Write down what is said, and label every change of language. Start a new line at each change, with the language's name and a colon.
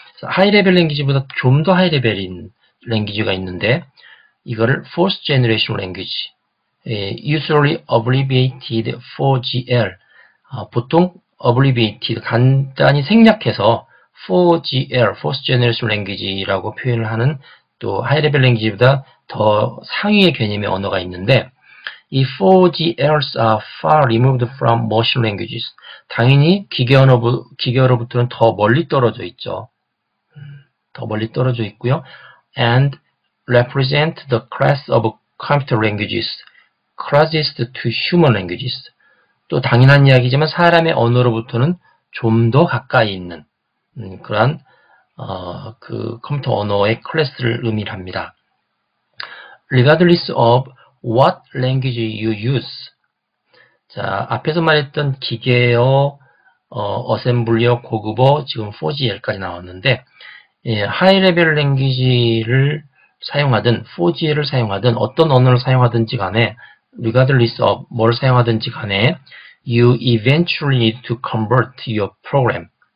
Korean: 하이 레벨 랭귀지보다 좀더 하이 레벨인 랭귀지가 있는데 이거를
English: Fourth Generation Language, usually abbreviated 4GL,
Korean: 보통 abbreviated 간단히 생략해서 4GL, Fourth Generation Language라고 표현을 하는 또 하이 레벨 랭귀지보다 더 상위의 개념의 언어가 있는데 이
English: 4GLs are far removed from machine languages.
Korean: 당연히 기계어로부터는 더 멀리 떨어져 있죠. 더 멀리 떨어져 있고요.
English: And represent the class of computer languages, closest to human languages.
Korean: 또 당연한 이야기지만 사람의 언어로부터는 좀더 가까이 있는 그러한 그 컴퓨터 언어의 클래스를 의미합니다.
English: Regardless of what language you use.
Korean: 자, 앞에서 말했던 기계어, assembly어, 고급어, 지금 4GL까지 나왔는데 하이 레벨 랭귀지를 사용하든 4G를 사용하든 어떤 언어를 사용하든지 간에
English: regardless of
Korean: 뭘 사용하든지 간에
English: you eventually need to convert your program.